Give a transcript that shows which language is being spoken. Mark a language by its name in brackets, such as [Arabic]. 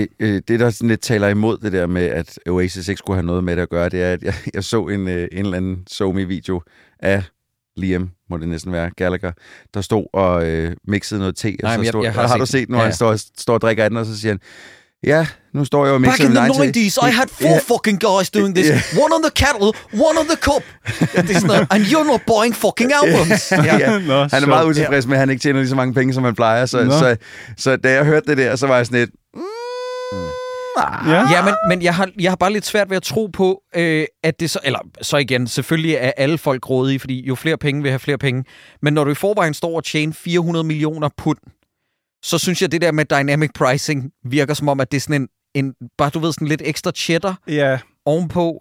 [Danish] Det, der sådan lidt taler imod det der med, at Oasis ikke skulle have noget med det at gøre, det er, at jeg så en eller anden Zoom-video af Liam, må det næsten være, Gallagher, der stod og mixede noget te. Nej, og så jeg har du set, når han står og drikker af den, og så siger han, ja, nu står jeg jo [English] back in the 90s, I had four fucking guys doing this. Yeah. One on the kettle, one on the cup. And you're not buying fucking albums. [Danish] Han er meget utilfreds med, at han ikke tjener lige så mange penge, som han plejer. Så da jeg hørte det der, så var jeg sådan lidt. Men jeg har bare lidt svært ved at tro på, at det så. Eller så igen, selvfølgelig er alle folk grådige, fordi jo flere penge vil have flere penge. Men når du i forvejen står og tjener 400 millioner pund, så synes jeg, at det der med dynamic pricing virker som om, at det er sådan en bare du ved, sådan lidt ekstra cheddar ovenpå.